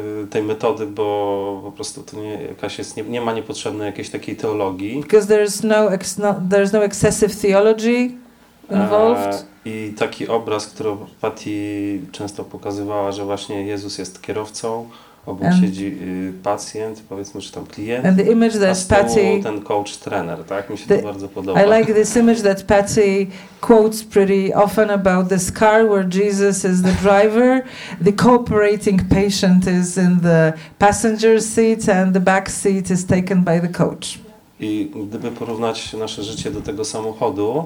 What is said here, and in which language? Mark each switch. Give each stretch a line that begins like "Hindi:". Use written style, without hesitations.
Polish: Tej metody, bo po prostu to nie jakaś jest, nie ma niepotrzebnej jakiejś takiej teologii.
English: Because there's no excessive theology involved.
Polish: I taki obraz, który Patty często pokazywała, że właśnie Jezus jest kierowcą, obok siedzi pacjent, powiedzmy, czy tam klient,
English: and the image that
Polish: a z tyłu ten coach, trener, tak? Mi się to bardzo podoba.
English: I like this image that Patsy quotes pretty often about this car where Jesus is the driver, the cooperating patient is in the passenger seat and the back seat is taken by the coach.
Polish: I gdyby porównać nasze życie do tego samochodu.